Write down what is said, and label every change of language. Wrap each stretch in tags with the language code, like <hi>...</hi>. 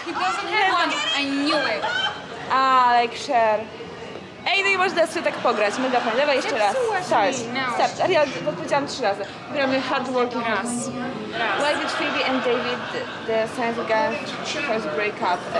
<en>He doesn't have one, I knew it! Ah, like share.</en> <pl>Ej, no i można sobie tak pograć, mega fajnie. Dawaj jeszcze raz. Start. Start. Ja odpowiedziałam trzy razy.</pl> <en>Gramy hard working</en> <pl>raz.</pl> <en>Why did Phoebe and David the science again first break up?</en>